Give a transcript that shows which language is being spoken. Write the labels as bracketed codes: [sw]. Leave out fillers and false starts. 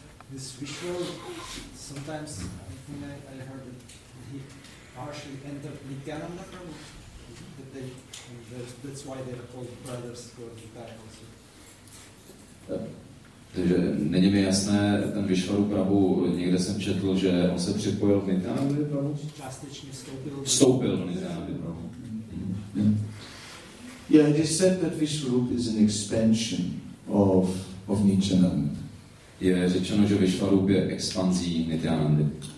[en] This ritual, sometimes I heard that he partially entered Nityananda Prabhu, that's why they are called brothers for the time also. [cs] Takže není mi jasné, ten Vishvaru Prabhu, někde jsem četl, že on se připojil k Nityananda Prabhu. Částečně vstoupil do Nityananda Prabhu. [en] Yeah, it is said that Vishvarup is an expansion of Nityananda. [cs] Je řečeno, že Vishvarup je expanzí Nityanandy.